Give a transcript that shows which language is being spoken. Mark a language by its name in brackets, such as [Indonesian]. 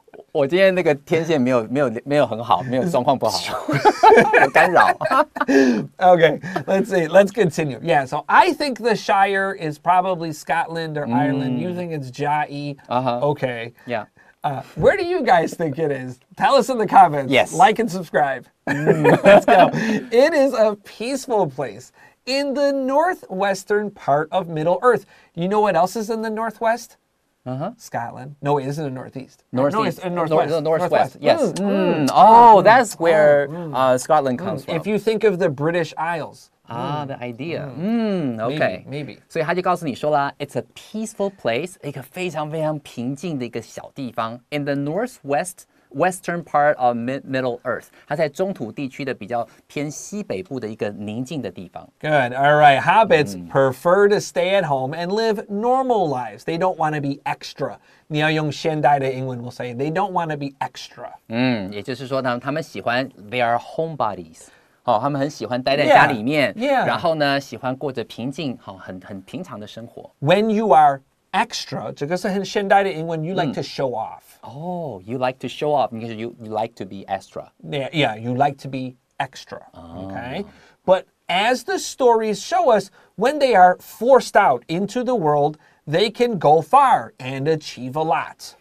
[Chinese] 我今天那个天线没有很好，没有状况不好，有干扰。 [English] Okay, let's see. Let's continue. Yeah, so I think the Shire is probably Scotland or Ireland. You think it's Jai? Okay. Yeah. Where do you guys think it is? Tell us in the comments. Yes. Like and subscribe. Let's go. It is a peaceful place in the northwestern part of Middle Earth. You know what else is in the northwest? Scotland. No, it isn't in the northeast. Northeast. Northwest. Yes. Oh, that's where Scotland comes from. If you think of the British Isles. The idea. Okay. Maybe. [Chinese] 所以他就告诉你说啦 [English] it's a peaceful place, [Chinese] 一个非常非常平静的一个小地方 [English] in the northwestern part of Middle Earth. [Chinese] 它在中土地区的比较偏西北部的一个宁静的地方。 [English] Good. All right. Hobbits prefer to stay at home and live normal lives. They don't want to be extra. [Chinese] 你要用现代的英文 [English] we'll say, they don't want to be extra. [Chinese] 也就是说呢他们喜欢 [English] they are homebodies. [Chinese] 他们很喜欢待在家里面 [English] yeah. [Chinese] 然后呢喜欢过着平静、很平常的生活。 [English] When you are extra, [Chinese] 这个是很现代的英文 [English] you like to show off. Oh, you like to show off, because you like to be extra. Yeah, you like to be extra, okay? But as the stories show us, when they are forced out into the world, they can go far and achieve a lot.